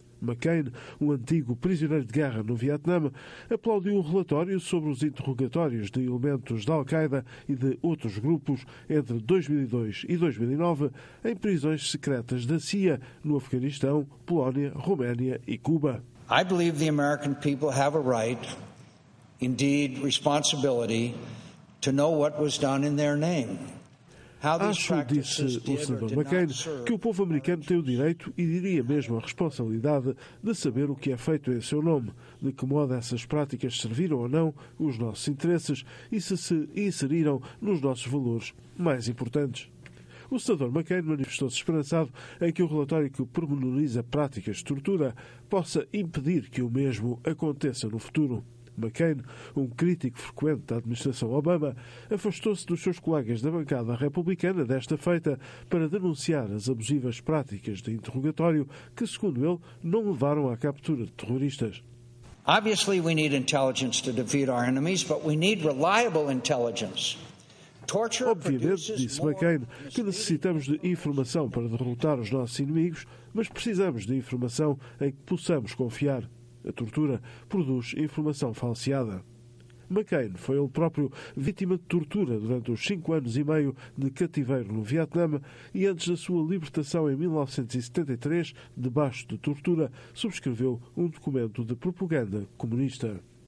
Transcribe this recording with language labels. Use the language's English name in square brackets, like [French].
[Portuguese] McCain, um antigo prisioneiro de guerra no Vietnã, aplaudiu o relatório sobre os interrogatórios de elementos da Al-Qaeda e de outros grupos entre 2002 e 2009 em prisões secretas da CIA no Afeganistão, Polónia, Roménia e Cuba. [English] I believe the American people have a right, indeed responsibility, to know what was done in their name. [Portuguese] Acho, disse o senador McCain, que o povo americano tem o direito e diria mesmo a responsabilidade de saber o que é feito em seu nome, de que modo essas práticas serviram ou não os nossos interesses e se se inseriram nos nossos valores mais importantes. O senador McCain manifestou-se esperançado em que o relatório que pormenoriza práticas de tortura possa impedir que o mesmo aconteça no futuro. McCain, um crítico frequente da administração Obama, afastou-se dos seus colegas da bancada republicana desta feita para denunciar as abusivas práticas de interrogatório que, segundo ele, não levaram à captura de terroristas. [English] Obviously we need intelligence to defeat our enemies, but we need reliable intelligence. [Portuguese] Obviamente, disse McCain, que necessitamos de informação para derrotar os nossos inimigos, mas precisamos de informação em que possamos confiar. A tortura produz informação falseada. McCain foi ele próprio vítima de tortura durante os 5 anos e meio de cativeiro no Vietnã e, antes da sua libertação em 1973, debaixo de tortura, subscreveu um documento de propaganda comunista.